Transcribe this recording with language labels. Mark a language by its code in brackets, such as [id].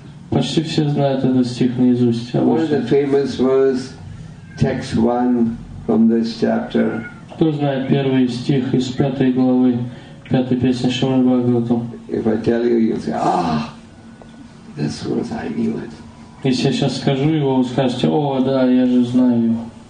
[ru] Почти все знают этот стих наизусть. [en] What is the famous verse, text 1 from this chapter? [ru] Кто знает первый стих из пятой главы, пятой песни Шримад Бхагаватам? [en] If I tell you, you'll say, ah, this verse, I knew it. [ru] Если я сейчас скажу его, вы скажете, о, да, я же знаю его.